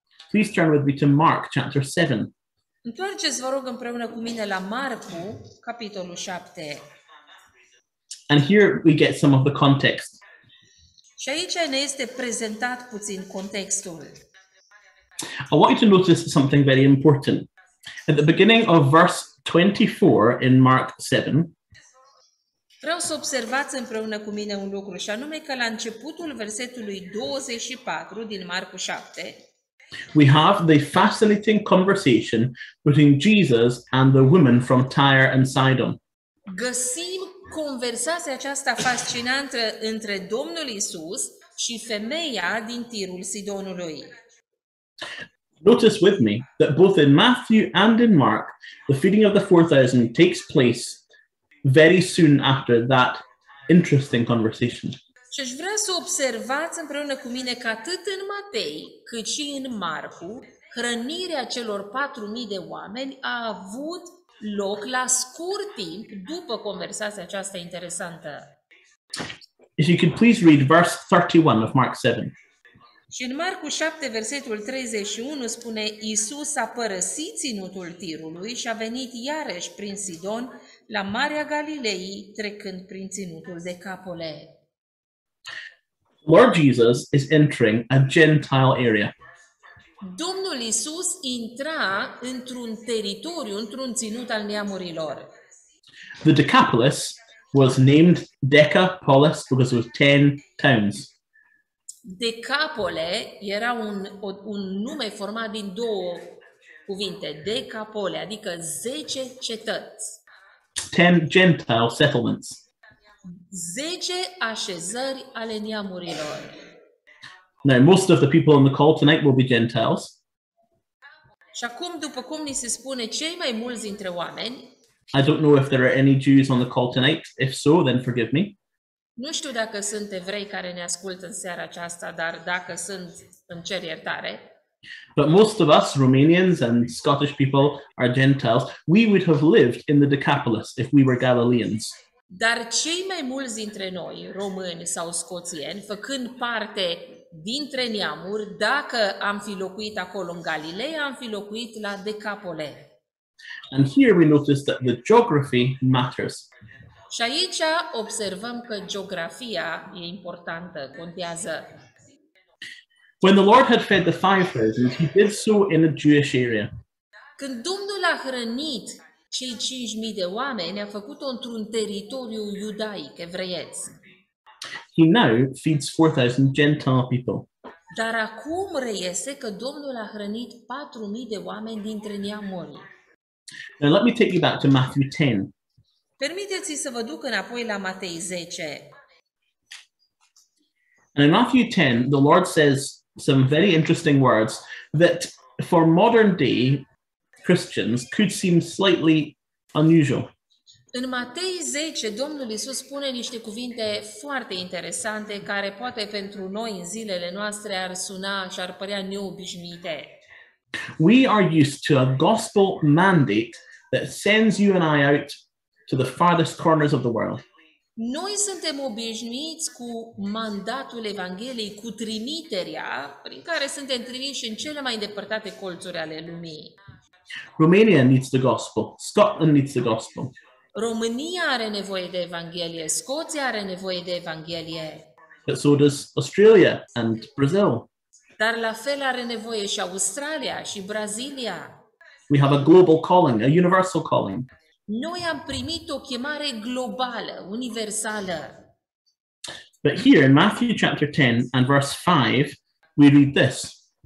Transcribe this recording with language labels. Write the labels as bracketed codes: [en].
[en] Please turn with me to Mark chapter 7. [ro] Întoarceți, vă rog, împreună cu mine la Marcu, capitolul 7. [en] And here we get some of the context. [ro] Și aici ne este prezentat puțin contextul. [en] I want you to notice something very important. At the beginning of verse 24 in Mark 7, [ro] vreau să observați împreună cu mine un lucru, și anume că la începutul versetului 24 din Marcu 7, [en] we have the fascinating conversation between Jesus and the woman from Tyre and Sidon. [ro] Găsim conversația aceasta fascinantă între Domnul Iisus și femeia din Tirul Sidonului. [en] Notice with me that both in Matthew and in Mark, the feeding of the 4,000 takes place very soon after that interesting conversation. [ro] Și aș vrea să observați împreună cu mine că atât în Matei, cât și în Marcu, hrănirea celor 4.000 de oameni a avut loc la scurt timp după conversația aceasta interesantă. [en] If you could please read verse 31 of Mark 7. [ro] Și în Marcu 7, versetul 31, spune: Iisus a părăsit ținutul Tirului și a venit iarăși prin Sidon la Marea Galilei, trecând prin ținutul de Capole. [en] Lord Jesus is entering a Gentile area. [ro] Domnul Iisus intra într-un teritoriu, într-un ținut al neamurilor. [en] The Decapolis was named Decapolis because it was 10 towns. [ro] Decapole era un nume format din două cuvinte, Decapole, adică 10 cetăți. [en] 10 Gentile settlements. [ro] 10 așezări ale neamurilor. [en] Now, most of the people on the call tonight will be Gentiles. [ro] Și acum, după cum ni se spune, cei mai mulți dintre oameni. [en] I don't know if there are any Jews on the call tonight. If so, then forgive me. [ro] Nu știu dacă sunt evrei care ne ascultă în seara aceasta, dar dacă sunt, îmi cer iertare. [en] But most of us, Romanians and Scottish people, are Gentiles. We would have lived in the Decapolis if we were Galileans. [ro] Dar cei mai mulți dintre noi, români sau scoțieni, făcând parte dintre neamuri, dacă am fi locuit acolo în Galileea, am fi locuit la Decapole. [en] And here we notice that the geography matters. [ro] Și aici observăm că geografia e importantă, contează. [en] When the Lord had fed the 5,000, he did so in a Jewish area. [ro] Când Domnul a hrănit cei 5.000 de oameni, a făcut-o într-un teritoriu iudaic, evreiesc. [en] He now feeds 4,000 Gentile people. [ro] Dar acum reiese că Domnul a hrănit 4.000 de oameni dintre neamuri. [en] Now let me take you back to Matthew 10. [ro] Permiteți să vă duc înapoi la Matei 10. [en] And in Matthew 10, the Lord says some very interesting words that for modern day Christians could seem slightly unusual. [ro] În Matei 10, Domnul Iisus spune niște cuvinte foarte interesante care poate pentru noi în zilele noastre ar suna și ar părea neobișnuite. [en] We are used to a gospel mandate that sends you and I out to the farthest corners of the world. [ro] Noi suntem obișnuiți cu mandatul Evangheliei, cu trimiterea prin care suntem trimiși în cele mai îndepărtate colțuri ale lumii. [en] Romania needs the gospel. Scotland needs the gospel. [ro] România are nevoie de Evanghelie, Scoția are nevoie de Evanghelie. [en] But so does Australia and Brazil. [ro] Dar la fel are nevoie și Australia și Brazilia. [en] We have a global calling, a universal calling. [ro] Noi am primit o chemare globală, universală. [en] But here in Matthew chapter 10 and verse 5, we read this.